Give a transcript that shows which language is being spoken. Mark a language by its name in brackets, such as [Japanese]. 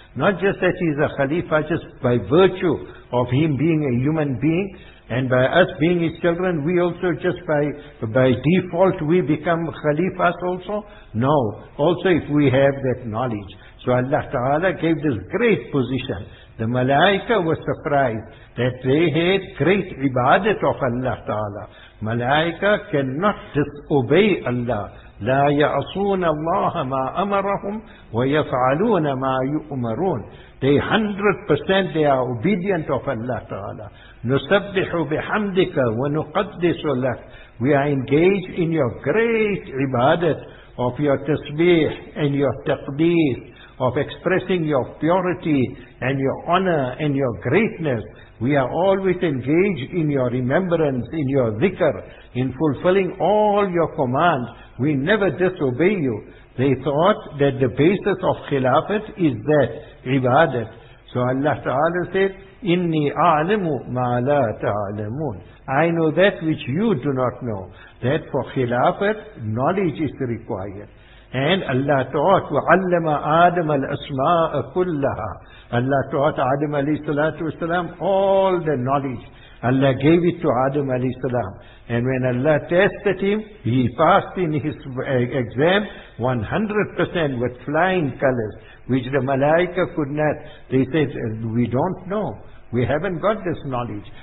[English] Not just that he is a Khalifa, just by virtue of him being a human being, and by us being his children, we also just by default, we become Khalifas also. No, also if we have that knowledge. So Allah Ta'ala gave this great position. The malaika was surprised that they had great ibadat of Allah Ta'ala. Malaika cannot disobey Allah. [Arabic] لا يعصون الله ما أمرهم ويفعلون ما يؤمرون. [English] They 100% they are obedient of Allah Ta'ala. [Arabic] نسبح بحمدك ونقدس لك. [English] We are engaged in your great ibadat of your tasbih and your taqdeer, of expressing your purity and your honor and your greatness. We are always engaged in your remembrance, in your dhikr, in fulfilling all your commands. We never disobey you. They thought that the basis of khilafat is that, ibadat. So Allah Ta'ala said, [Arabic] إِنِّي أَعْلَمُ مَا لَا تَعْلَمُونَ. [English] I know that which you do not know. That for khilafat, knowledge is required. And Allah taught, [Arabic] وَعَلَّمَ آدَمَ الْأَسْمَاءَ كُلَّهَا. [English] Allah taught Adam alayhi salatu wasalam all the knowledge. Allah gave it to Adam alayhi salam. And when Allah tested him, he passed in his exam 100% with flying colors, which the malaika could not. They said, we don't know. We haven't got this knowledge.